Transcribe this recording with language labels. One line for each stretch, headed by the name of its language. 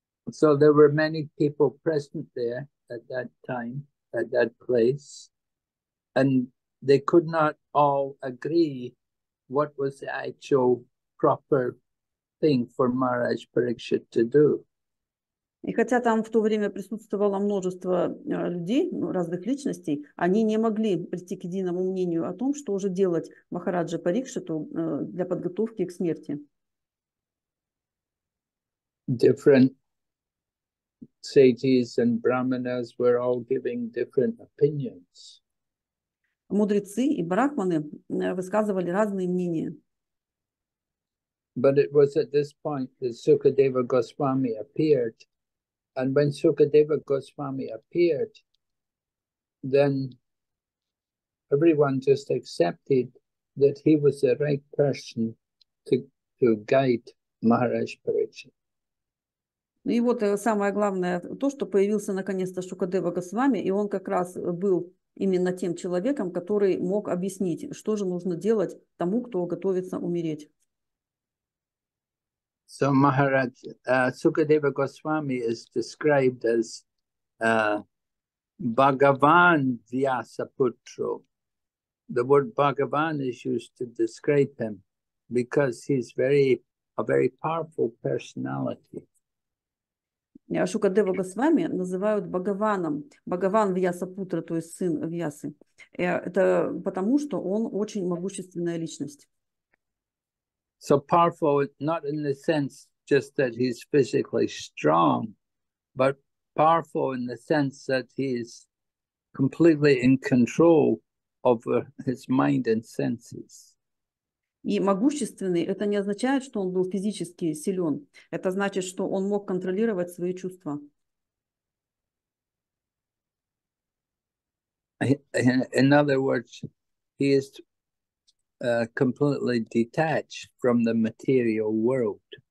English: So there were many people present there at that time, at that place, and they could not all agree what was the actual proper thing for Maharaj Parikshit to do.
Russian: И хотя там в то время присутствовало множество людей, разных личностей, они не могли прийти к единому мнению о том, что же делать Махараджа Парикшиту для подготовки к смерти.
English: Different sages and brahmanas were all giving different opinions.
Russian: Мудрецы и брахманы высказывали разные мнения.
English: But it was at this point that Sukadeva Goswami appeared. And when Sukadeva Goswami appeared, then everyone just accepted that he was the right person to guide Maharaj Parikshit.
Russian: Ну и вот самое главное, то, что появился наконец-то Шукадева Госвами, и он как раз был именно тем человеком, который мог объяснить, что же нужно делать тому, кто готовится умереть.
English: So Maharaj Sukadeva Goswami is described as Bhagavan Vyasa Putro. The word Bhagavan is used to describe him because he's a very powerful personality.
Russian: Шукадева Госвами называют Бхагаваном, Бхагаван Вьясапутра, то есть сын Вьясы. Это потому, что он очень могущественная личность.
English: So powerful, not in the sense just that he's physically strong, but powerful in the sense that he's completely in control over his mind and senses.
Russian: И могущественный – это не означает, что он был физически силен. Это значит, что он мог контролировать свои чувства.
English: In other words, he is completely detached from the material world.